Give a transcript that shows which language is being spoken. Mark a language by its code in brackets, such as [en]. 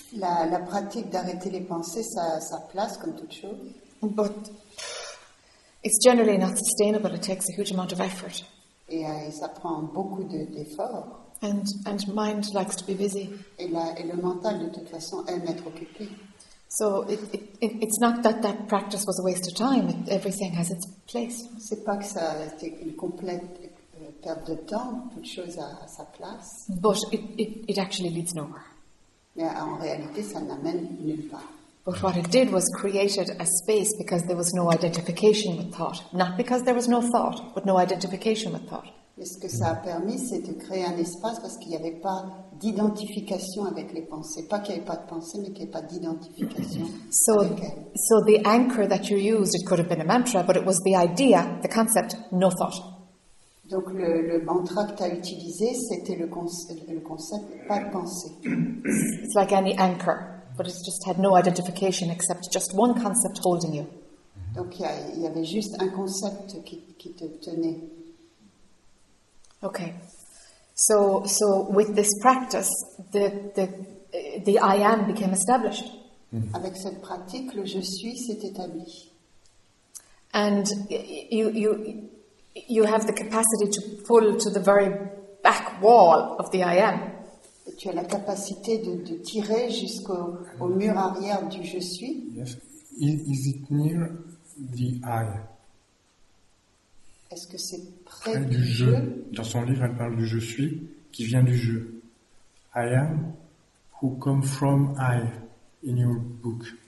[fr] La pratique d'arrêter les pensées, ça place comme toute chose. [en] But it's generally not sustainable. It takes a huge amount of effort. [fr] Et ça prend beaucoup d'efforts. [en] And mind likes to be busy. [fr] Et le mental, de toute façon, aime être occupé. [en] So it's not that practice was a waste of time. Everything has its place. [fr] C'est pas que ça a été une complète perte de temps, toute chose à sa place. [en] But it actually leads nowhere. [fr] Mais en réalité, ça n'amène nulle part. [en] But what it did was created a space because there was no identification with thought. Not because there was no thought, but no identification with thought. [fr] Mais ce que ça a permis, c'est de créer un espace parce qu'il n'y avait pas d'identification avec les pensées. Pas qu'il n'y avait pas de pensée, mais qu'il n'y avait pas d'identification. [en] So the anchor that you used, it could have been a mantra, but it was the idea, the concept, no thought. [fr] Donc le mantra que tu as utilisé, c'était le concept, pas de pensée. [en] It's like any anchor, but it just had no identification except just one concept holding you. [fr] Donc il y avait juste un concept qui te tenait. [en] Okay, so with this practice, the I am became established. Mm-hmm. [fr] Avec cette pratique, le je suis s'est établi. [en] And you have the capacity to pull to the very back wall of the I am. [fr] Et tu as la capacité de tirer jusqu'au mur arrière du je suis. [en] Yes, is it near the I? [fr] Est-ce que c'est près du jeu? Dans son livre, elle parle du je suis qui vient du jeu. [en] I am who come from I in your book.